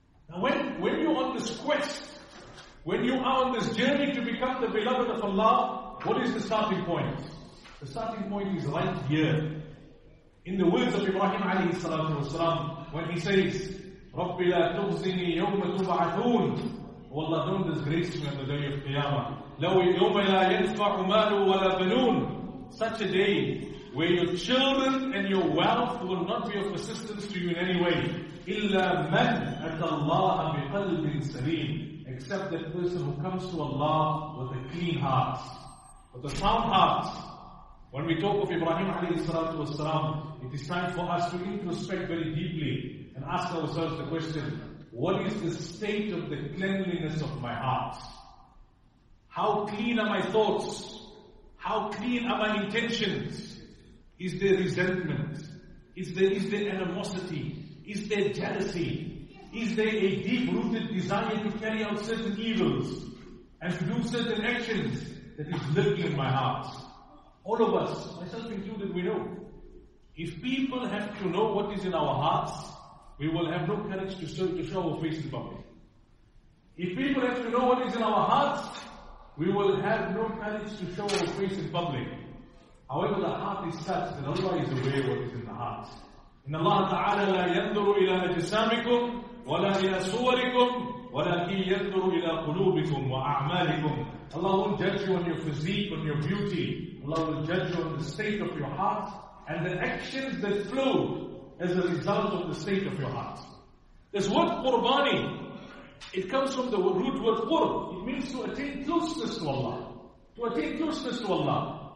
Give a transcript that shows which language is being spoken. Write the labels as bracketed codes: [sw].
[en] Now when you're on this quest, when you are on this journey to become the beloved of Allah, what is the starting point? The starting point is right here. In the words of Ibrahim alayhi salatu wasalam, when he says, [ar] رب لا تخزني يوم تبعثون. [en] Allah, don't disgrace me on the day of Qiyamah. [ar] لو يوم لا ينفع مال ولا بنون. [en] Such a day where your children and your wealth will not be of assistance to you in any way. [ar] إلا من أتى الله بقلب سليم. [en] Except that person who comes to Allah with a clean heart, with a sound heart. When we talk of Ibrahim alayhi salatu wasalam, it is time for us to introspect very deeply and ask ourselves the question, what is the state of the cleanliness of my heart? How clean are my thoughts? How clean are my intentions? Is there resentment? Is there animosity? Is there jealousy? Is there a deep-rooted desire to carry out certain evils and to do certain actions that is living in my heart? All of us, myself included, we know. If people have to know what is in our hearts, we will have no courage to show our face in public. If people have to know what is in our hearts, we will have no courage to show our face in public. However, the heart is such that Allah is aware of what is in the heart. In Allah Ta'ala, [ar] لا يندر إلى أجسامكم ولا إلى صوركم ولكن يندر إلى قلوبكم وأعمالكم. [en] Allah won't judge you on your physique, on your beauty. Allah will judge you on the state of your heart and the actions that flow as a result of the state of your heart. This word qurbani, it comes from the root word qurb. It means to attain closeness to Allah. To attain closeness to Allah.